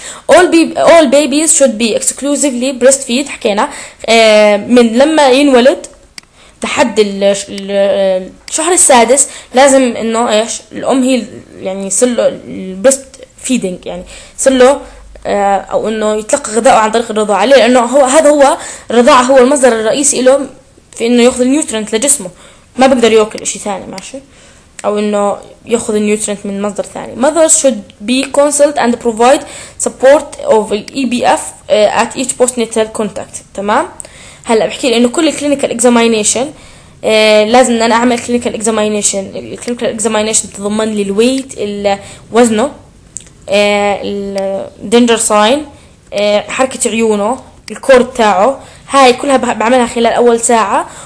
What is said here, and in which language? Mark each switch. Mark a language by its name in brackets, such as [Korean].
[English] all babies should be exclusively breastfeed، [Arabic] حكينا من لما ينولد لحد الشهر السادس لازم انه ايش الام هي يعني يصير له البريست فيدنج، يعني يصير له او انه يتلقى غذائه عن طريق الرضاعه. ليه؟ لانه هو هذا هو الرضاعه هو المصدر الرئيسي له في انه ياخذ النيوترينت لجسمه، ما بقدر ياكل شيء ثاني ماشي، او انه ياخذ النيوترينت من مصدر ثاني. [English] Mothers should be consult and provide support of EBF at each postnatal contact. [Arabic] تمام، هلا بحكي لانه كل الكلينيكال اكزامينيشن لازم انا اعمل كلينيكال اكزامينيشن، الكلينيكال اكزامينيشن تضمن لي الويت وزنه، الدينجر ساين، حركة عيونه، الكور تاعه، هاي كلها بعملها خلال أول ساعة.